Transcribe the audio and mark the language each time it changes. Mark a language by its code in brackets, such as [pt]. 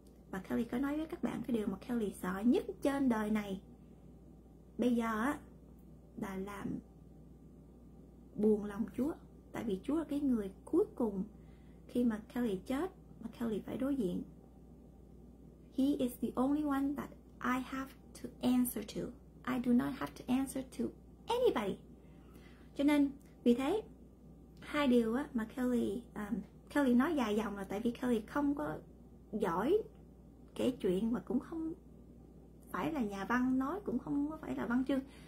[vi] Và Kelly có nói với các bạn cái điều mà Kelly sợ nhất trên đời này bây giờ á, là làm buồn lòng Chúa. Tại vì Chúa là cái người cuối cùng, khi mà Kelly chết mà Kelly phải đối diện, [en] He is the only one that I have to answer to. I do not have to answer to anybody. [vi] Cho nên vì thế hai điều á, mà Kelly nói dài dòng là tại vì Kelly không có giỏi kể chuyện mà cũng không phải là nhà văn, nói cũng không có phải là văn chương.